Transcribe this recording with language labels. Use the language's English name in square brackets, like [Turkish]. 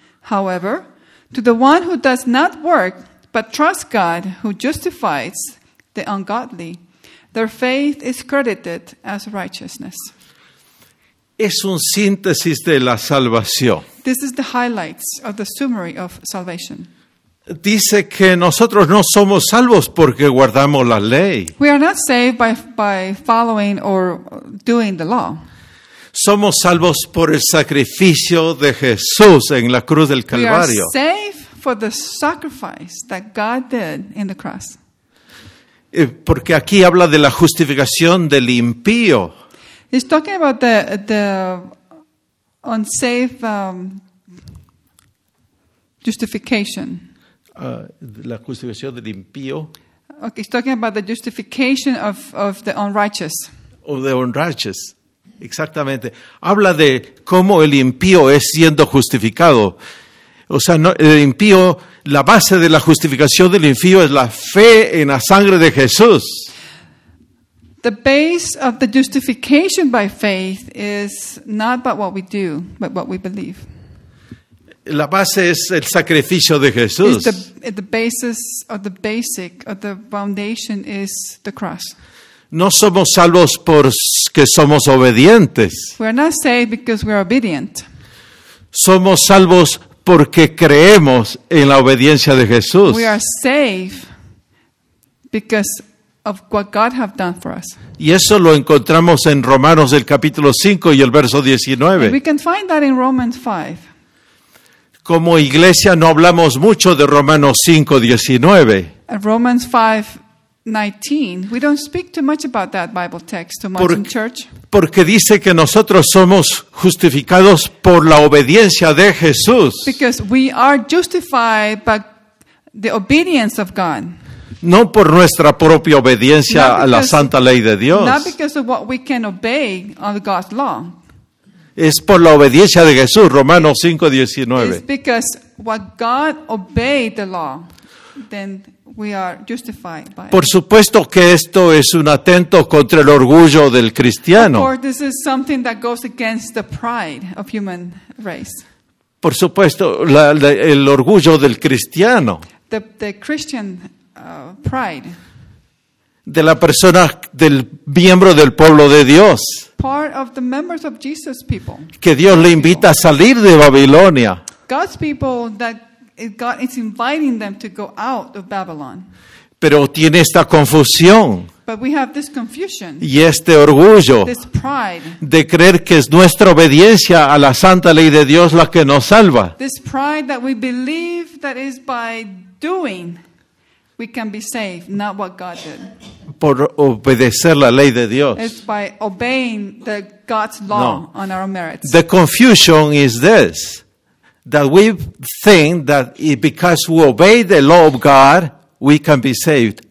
[English] However, to the one who does not work, but trusts God, who justifies the ungodly, their faith is credited as righteousness. [Spanish] Es un síntesis de la salvación. [English] This is the highlights of the summary of salvation. [Spanish] Dice que nosotros no somos salvos porque guardamos la ley. [English] We are not saved by following or doing the law. [Spanish] Somos salvos por el sacrificio de Jesús en la cruz del Calvario. [English] We are saved for the sacrifice that God did in the cross. [Spanish] Porque aquí habla de la justificación del impío. [English] He's talking about the unsafe justification. [Spanish] La justificación del impío. [English] Okay, he's talking about the justification of the unrighteous. Of the unrighteous, [Spanish] exactamente. Habla de cómo el impío es siendo justificado. O sea, no, el impío, la base de la justificación del impío es la fe en la sangre de Jesús. [English] The base of the justification by faith is not about what we do, but what we believe. [Spanish] La base es el sacrificio de Jesús. [English] The foundation is the cross. [Spanish] No somos salvos por que somos obedientes. [English] We are not saved because we are obedient. [Spanish] Somos salvos porque creemos en la obediencia de Jesús. [English] We are saved because of what God has done for us. [Spanish] Y eso lo encontramos en Romanos el capítulo 5 y el verso 19. [English] And we can find that in Romans 5. [Spanish] Como iglesia no hablamos mucho de Romanos 5:19. [English] Romans 5 19. We don't speak too much about that Bible text too much in church. [Spanish] Porque dice que nosotros somos justificados por la obediencia de Jesús. [English] Because we are justified by the obedience of God. [Spanish] No por nuestra propia obediencia [English] not because, [Spanish] a la santa ley de Dios. [English] Not because of what we can obey on God's law. [Spanish] Es por la obediencia de Jesús, Romanos 5:19. [English] It's because what God obeyed the law, then we are justified by it. [Spanish] Por supuesto que esto es un atento contra el orgullo del cristiano. [English] Of course, this is something that goes against the pride of human race. [Spanish] Por supuesto, el orgullo del cristiano. [English] The Christian pride. [Spanish] De la persona, del miembro del pueblo de Dios. [English] Part of the members of Jesus' people. [Spanish] Que Dios le invita a salir de Babilonia. [English] God's people that God is inviting them to go out of Babylon. [Spanish] Pero tiene esta confusión. [English] But we have this confusion. [Spanish] Y este orgullo. [English] This pride. [Spanish] De creer que es nuestra obediencia a la santa ley de Dios la que nos salva. [English] This pride that we believe that is by doing we can be saved, not what God did. [Spanish] Por obedecer la ley de Dios. [English] It's by obeying the God's law [Spanish] no. [English] on our merits. The confusion is this, that we think that because we obey the law of God, we can be saved.